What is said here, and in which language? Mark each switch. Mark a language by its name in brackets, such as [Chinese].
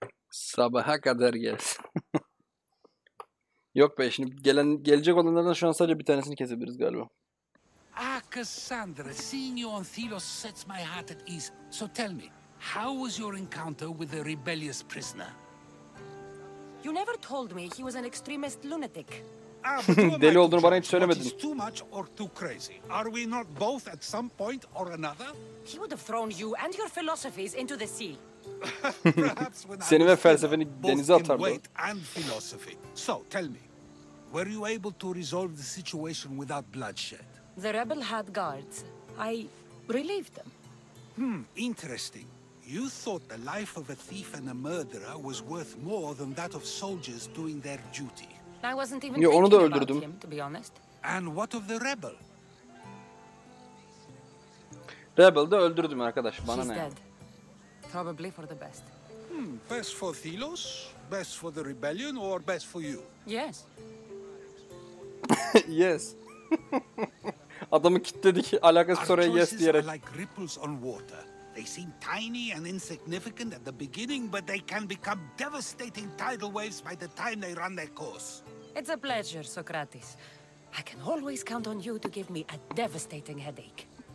[Turkish] Sabaha kadar gelsin. Yok be, şimdi gelecek olanlardan şu an sadece bir tanesini kesebiliriz galiba. [English] Ah, Cassandra, seeing you on Thelos sets my heart at ease. So tell me, how was your encounter with the rebellious prisoner? You never told me he was an extremist lunatic. [Turkish] Deli olduğunu bana hiç söylemedin. [English] Too much or too crazy? Are we not both at some point or another? He would have thrown you and your philosophies into the sea. [Turkish] Seni ve felsefeni denize atardı. [English] So tell me, were you able to resolve the situation without bloodshed? The rebel had guards. I relieved them. Hmm, interesting. You thought the life of a thief and a murderer was worth more than that of soldiers doing their duty. I wasn't even thinking about him, to be honest. And what of the rebel? [Turkish] Rebel de öldürdüm arkadaş. Bana [English] She's [Turkish] ne? [English] Dead. Probably for the best. Hmm, best for Thelos, best for the rebellion, or best for you? Yes. Yes. [Turkish] Adamı kilitledik, alakası soruya yes diyerek. [English] Our choices are like ripples on water. They seem tiny and insignificant at the beginning, but they can become devastating tidal waves by the time they run their course. It's a pleasure, Socrates. I can always count on you to give me a devastating headache.